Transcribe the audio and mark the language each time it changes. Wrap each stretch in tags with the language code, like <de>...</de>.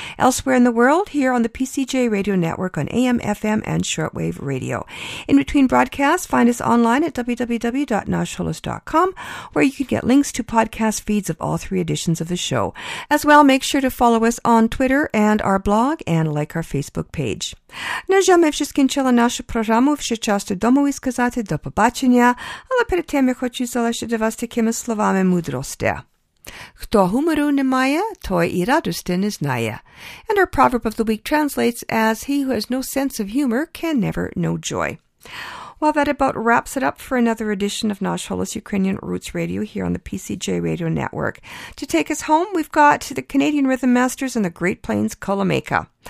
<en>Elsewhere in the world, here on the PCJ Radio Network on AM, FM, and shortwave radio. In between broadcasts, find us online at www.nasholos.com. Where you can get links to podcast feeds of all three editions of the show. As well, make sure to follow us on Twitter and our blog and like our Facebook page.</en> <uk>На жаль, ми вже скінчили нашу програму. Вже час додому і сказати до побачення. Але перед тим я хочу залишити вас такими словами мудрості. Хто гумору не має, той і радості не знає.</uk> <en>And our proverb of the week translates as, he who has no sense of humor can never know joy. Well, that about wraps it up for another edition of Nasholos Ukrainian Roots Radio here on the PCJ Radio Network. To take us home, we've got the Canadian Rhythm Masters and the Great Plains Kolomeika.</en>